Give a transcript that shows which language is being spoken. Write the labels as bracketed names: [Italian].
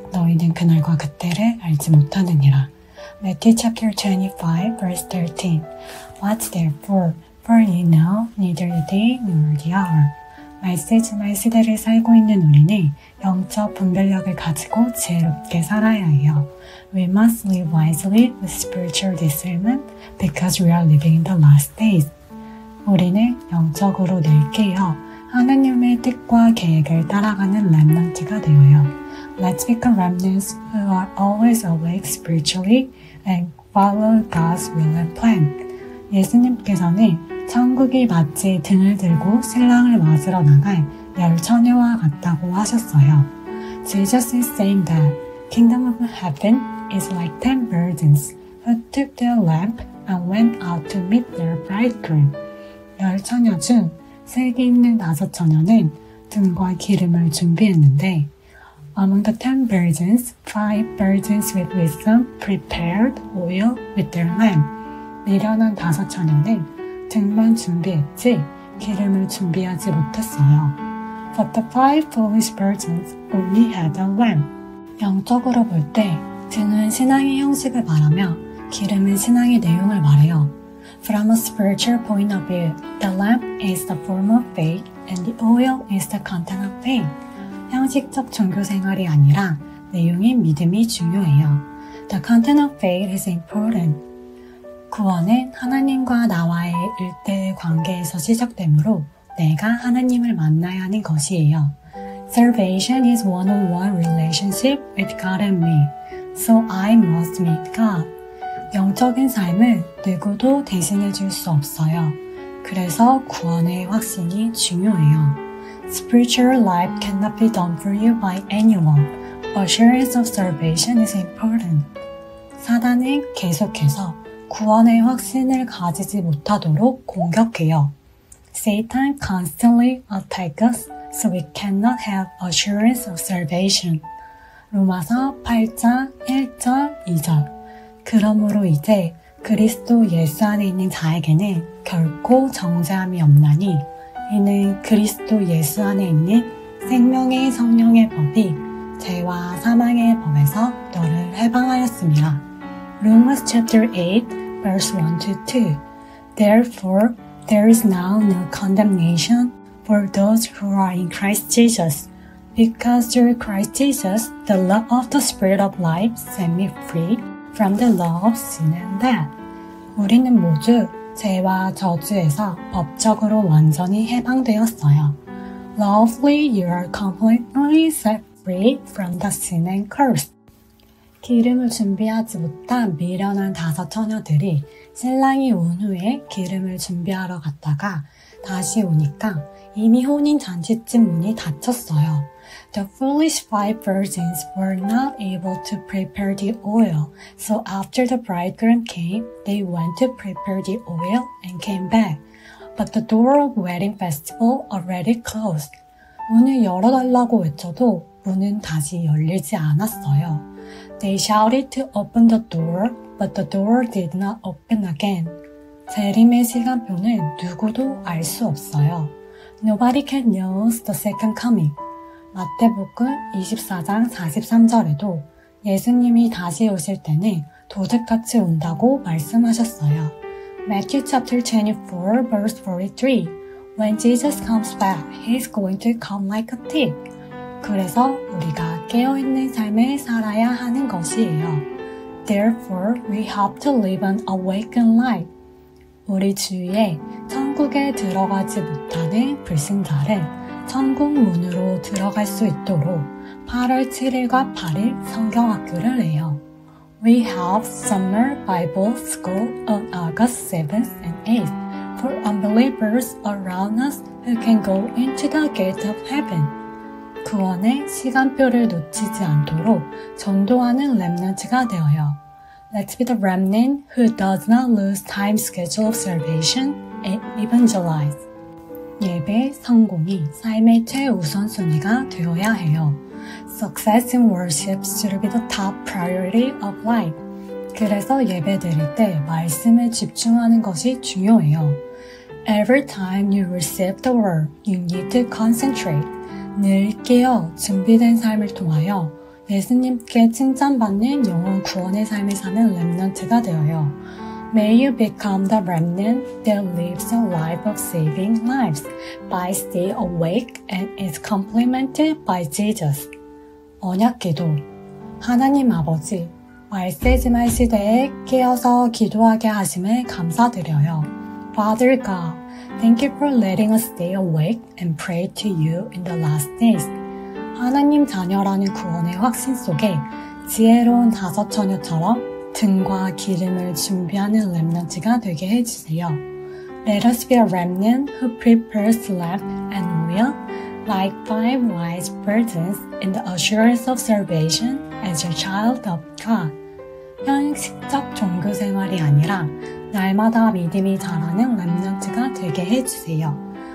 [Korean] 너희는 그날과 그때를 알지 못하느니라. [English] Matthew chapter 25, verse 13. Watch therefore, for ye know neither the day nor the hour. [Korean] 말세지마의 시대를 살고 있는 우리는 영적 분별력을 가지고 지혜롭게 살아야 해요. [English] We must live wisely with spiritual discernment because we are living in the last days. [Korean] 우리는 영적으로 늘 깨어 하나님의 뜻과 계획을 따라가는 렘넌트가 되어요. [English] Let's become remnants who are always awake spiritually and follow God's will and plan. [Korean] 예수님께서는 천국이 마치 등을 들고 신랑을 맞으러 나갈 열 처녀와 같다고 하셨어요. [English] Jesus is saying that kingdom of heaven is like 10 virgins who took their lamp and went out to meet their bridegroom. [Korean] 열 처녀 중 세계 있는 다섯 처녀는 등과 기름을 준비했는데, [English] Among the 10 virgins, 5 virgins with wisdom prepared oil with their lamp. [Korean] 미련한 다섯 처녀는 등만 준비했지 기름을 준비하지 못했어요. [English] But the 5 foolish virgins only had a lamp. [Korean] 영적으로 볼때 등은 신앙의 형식을 말하며 기름은 신앙의 내용을 말해요. [English] From a spiritual point of view, the lamp is the form of faith and the oil is the content of faith. [Korean] 형식적 종교 생활이 아니라 내용인 믿음이 중요해요. [English] The content of faith is important. [Korean] 구원은 하나님과 나와의 일대의 관계에서 시작되므로 내가 하나님을 만나야 하는 것이에요. [English] Salvation is one-on-one relationship with God and me, so I must meet God. [Korean] 영적인 삶은 누구도 대신해 줄수 없어요. 그래서 구원의 확신이 중요해요. [English] Spiritual life cannot be done for you by anyone. Assurance of salvation is important. [Korean] 사단은 계속해서 구원의 확신을 가지지 못하도록 공격해요. [English] Satan constantly attacks us so we cannot have assurance of salvation. [Korean] 로마서 8장 1절 2절. 그러므로 이제 그리스도 예수 안에 있는 자에게는 결코 정죄함이 없나니, 이는 그리스도 예수 안에 있는 생명의 성령의 법이 죄와 사망의 법에서 너를 해방하였습니다. [English] Romans chapter 8, verse 1 to 2. Therefore, there is now no condemnation for those who are in Christ Jesus. Because through Christ Jesus, the law of the Spirit of life set me free from the law of sin and death. [Korean] 우리는 모두 죄와 저주에서 법적으로 완전히 해방되었어요. [English] Lawfully, you are completely set free from the sin and curse. [Korean] 기름을 준비하지 못한 미련한 다섯 처녀들이 신랑이 온 후에 기름을 준비하러 갔다가 다시 오니까 이미 혼인 잔치집 문이 닫혔어요. [English] The foolish five virgins were not able to prepare the oil, so after the bridegroom came, they went to prepare the oil and came back. But the door of wedding festival already closed. [Korean] 문을 열어달라고 외쳐도 문은 다시 열리지 않았어요. [English] They shouted to open the door, but the door did not open again. [Korean] 재림의 시간표는 누구도 알 수 없어요. [English] Nobody can know the second coming. [Korean] 마태복음 24장 43절에도 예수님이 다시 오실 때는 도둑같이 온다고 말씀하셨어요. [English] Matthew chapter 24, verse 43. When Jesus comes back, he is going to come like a thief. [Korean] 그래서 우리가 깨어있는 삶을 살아야 하는 것이에요. [English] Therefore, we have to live an awakened life. [Korean] 우리 주위에 천국에 들어가지 못하는 불신자를 천국 문으로 들어갈 수 있도록 8월 7일과 8일 성경학교를 해요. [English] We have summer Bible school on August 7th and 8th for unbelievers around us who can go into the gate of heaven. [Korean] 구원의 시간표를 놓치지 않도록 전도하는 렘넌트가 되어요. [English] Let's be the remnant who does not lose time schedule of salvation and evangelize. [Korean] 예배 성공이 삶의 최우선순위가 되어야 해요. [English] Success in worship should be the top priority of life. [Korean] 그래서 예배 드릴 때 말씀에 집중하는 것이 중요해요. [English] Every time you receive the word, you need to concentrate. [Korean] 늘 깨어 준비된 삶을 통하여 예수님께 칭찬받는 영혼 구원의 삶을 사는 렘넌트가 되어요. [English] May you become the remnant that lives a life of saving lives by stay awake and is complemented by Jesus. [Korean] 언약 기도. 하나님 아버지, 말세지말 시대에 깨어서 기도하게 하심에 감사드려요. [English] Father God, thank you for letting us stay awake and pray to you in the last days. [Korean] 하나님 자녀라는 구원의 확신 속에 지혜로운 다섯 처녀처럼 등과 기름을 준비하는 렘넌트가 되게 해주세요. [English] Let us be a remnant who prepares lamp and oil like five wise virgins in the assurance of salvation as a child of God. [Korean] 형식적 종교 생활이 아니라 날마다 믿음이 자라는 렘넌트가 되게 해주세요.